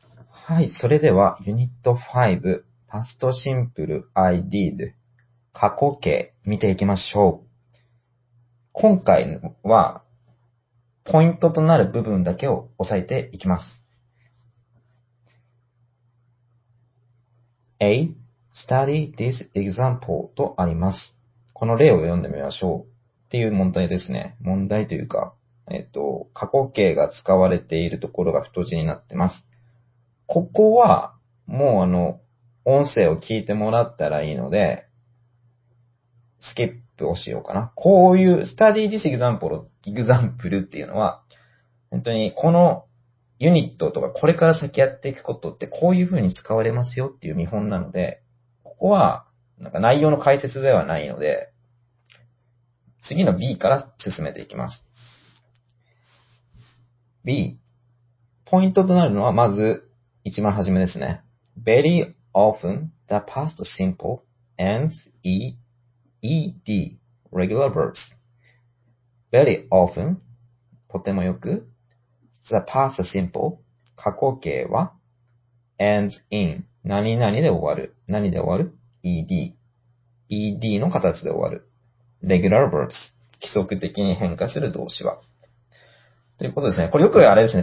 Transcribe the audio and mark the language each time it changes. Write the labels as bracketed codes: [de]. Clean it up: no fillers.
[ja] はい、それではユニット5、パストシンプル ID 過去形見ていきましょう。今回はポイントとなる部分だけを押さえていきます。 A. [en] Study this example [ja] とあります。この例を読んでみましょうっていう問題ですね。問題というか、過去形が使われているところが太字になってます。ここは、もう音声を聞いてもらったらいいので、スキップをしようかな。こういう、 [en] study this example [ja] っていうのは、本当にこのユニットとかこれから先やっていくことってこういう風に使われますよっていう見本なので、ここは、なんか内容の解説ではないので、次の B から進めていきます。 B。ポイントとなるのは、まず、一番初めですね。 [en] Very often the past simple ends ed regular verbs. Very often [ja] とてもよく [en] the past simple [ja] 過去形は [en] ends in [ja] 何々で終わる。何で終わる ?ed。ed の形で終わる。 [en] regular verbs [ja] 規則的に変化する動詞は。ということですね。これよくあれですね。